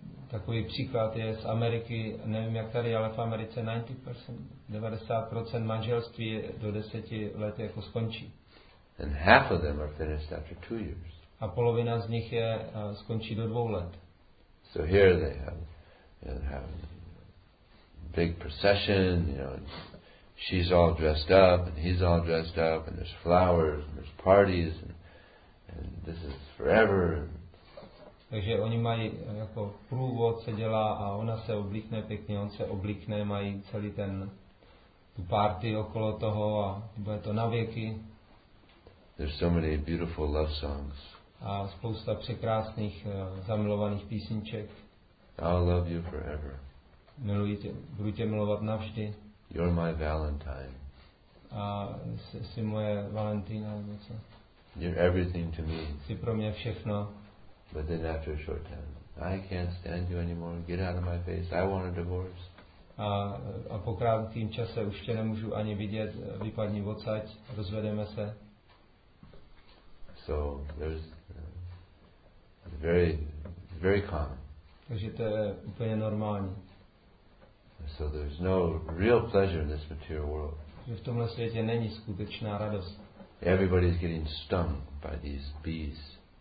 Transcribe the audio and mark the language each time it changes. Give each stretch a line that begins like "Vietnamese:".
Czech: Takový příklad je z Ameriky, nevím jak tady, ale v Americe 90% manželství do 10 let jako skončí.
English: And half of them are finished after 2 years.
Czech: A polovina z nich je skončí do 2 let.
English: So here they have big procession, you know, and she's all dressed up and he's all dressed up and there's flowers and there's parties and this is forever.
Czech: Takže oni mají jako průvod se dělá a ona se oblíkne pěkně, on se oblíkne, mají celý ten tu party okolo toho a bude to na věky.
English: There's so many beautiful love songs.
Czech: A spousta překrásných zamilovaných písniček.
English: I'll love you forever.
Czech: Budu tě milovat navždy.
English: You're my Valentine.
Czech: A jsi moje Valentína nebo co?
English: You're everything to me.
Czech: Jsi pro mě všechno.
English: But then after a short time, I can't stand you anymore. Get out of my face. I want a divorce.
Czech: A po krátkém čase už tě nemůžu ani vidět. Vypadni odsaď. Rozvedeme se.
English: So there's very, very common.
Czech: Takže to je úplně normální.
English: So there's no real pleasure in this material world.
Czech: V tomhle světě není skutečná radost.
English: Everybody's getting stung by these bees.